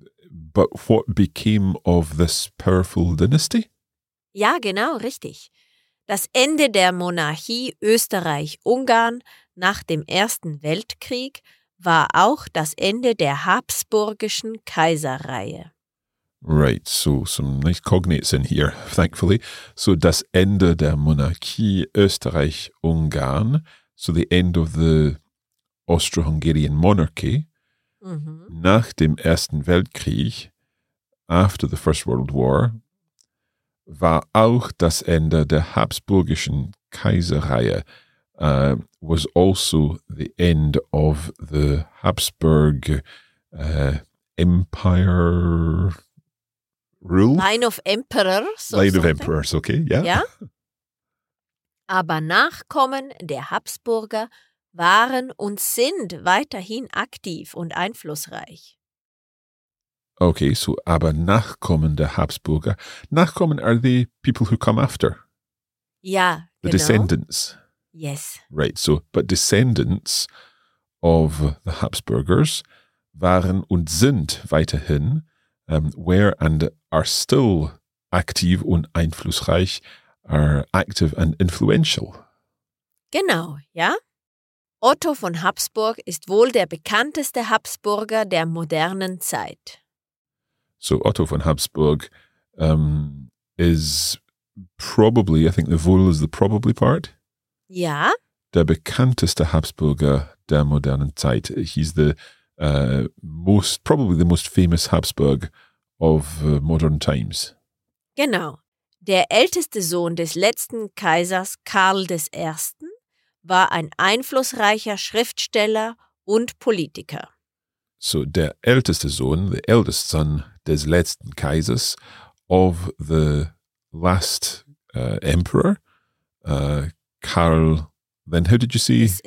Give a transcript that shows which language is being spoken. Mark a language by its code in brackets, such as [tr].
[en] But what became of this powerful dynasty? [de] Ja, genau, richtig. Das Ende der Monarchie Österreich-Ungarn nach dem Ersten Weltkrieg war auch das Ende der habsburgischen Kaiserreihe. [en] Right, so some nice cognates in here, thankfully. So [de] das Ende der Monarchie Österreich-Ungarn, [en] so the end of the Austro-Hungarian monarchy, mm-hmm, [de] nach dem Ersten Weltkrieg, [en] after the First World War, [de] war auch das Ende der habsburgischen Kaiserreihe. [en] Was also the end of the Habsburg empire rule? Line of emperors. Line of emperors, okay, yeah. [de] Ja? Aber Nachkommen der Habsburger waren und sind weiterhin aktiv und einflussreich. Okay, so aber Nachkommen der Habsburger. [en] Nachkommen are the people who come after. [de] Ja, [en] the [de] genau. [en] The descendants. Yes. Right, so, but descendants of the Habsburgers [de] waren und sind weiterhin, [en] were and are still [de] aktiv und einflussreich, [en] are active and influential. [de] Genau, ja. Otto von Habsburg ist wohl der bekannteste Habsburger der modernen Zeit. [en] So Otto von Habsburg is probably, I think the vowel is the probably part. [de] Ja. Der bekannteste Habsburger der modernen Zeit. [en] He's the most, probably the most famous Habsburg of modern times. [de] Genau. Der älteste Sohn des letzten Kaisers Karl des Ersten war ein einflussreicher Schriftsteller und Politiker. [en] So [de] der älteste Sohn, [en] the eldest son [de] des letzten Kaisers [en] of the last emperor, Karl, then how did you say?